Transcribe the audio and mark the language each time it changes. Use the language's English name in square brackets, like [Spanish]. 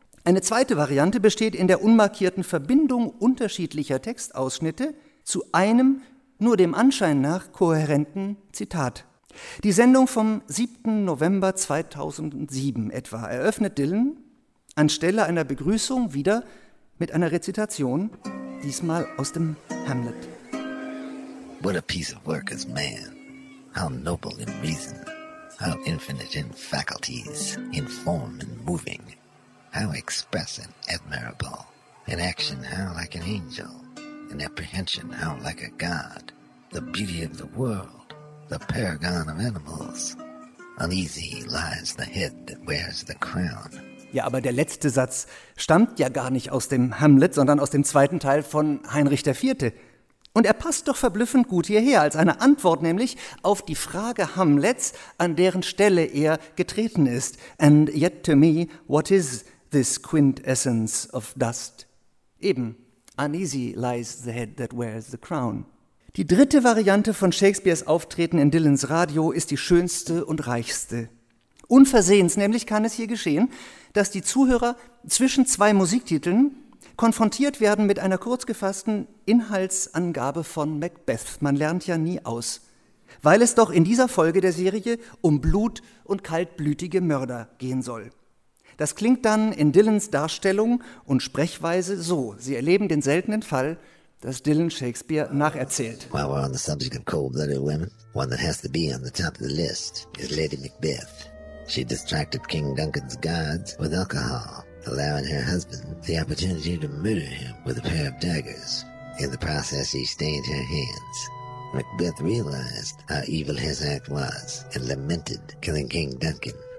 [German] Eine zweite Variante besteht in der unmarkierten Verbindung unterschiedlicher Textausschnitte zu einem nur dem Anschein nach kohärenten Zitat. Die Sendung vom 7. November 2007 etwa eröffnet Dylan anstelle einer Begrüßung wieder mit einer Rezitation, diesmal aus dem Hamlet. [English] What a piece of work is man! How noble in reason! How infinite in faculties, in form and moving! How express and admirable! In action, how like an angel! In apprehension, how like a god! The beauty of the world! The paragon of animals. Uneasy lies the head that wears the crown. [German] Ja, aber der letzte Satz stammt ja gar nicht aus dem Hamlet, sondern aus dem zweiten Teil von Heinrich IV. Und er passt doch verblüffend gut hierher, als eine Antwort nämlich auf die Frage Hamlets, an deren Stelle er getreten ist. [English] And yet to me, what is this quintessence of dust? Eben, uneasy lies the head that wears the crown. [German] Die dritte Variante von Shakespeares Auftreten in Dylans Radio ist die schönste und reichste. Unversehens nämlich kann es hier geschehen, dass die Zuhörer zwischen zwei Musiktiteln konfrontiert werden mit einer kurzgefassten Inhaltsangabe von Macbeth. Man lernt ja nie aus, weil es doch in dieser Folge der Serie um Blut und kaltblütige Mörder gehen soll. Das klingt dann in Dylans Darstellung und Sprechweise so. Sie erleben den seltenen Fall, dass Dylan Shakespeare nacherzählt. [English] While we're on the subject of cold-blooded women, one that has to be on the top of the list is Lady Macbeth. She distracted King Duncan's guards with alcohol, allowing her husband the opportunity to murder him with a pair of daggers. In the process, he stained her hands. Macbeth realized how evil his act was and lamented killing King Duncan.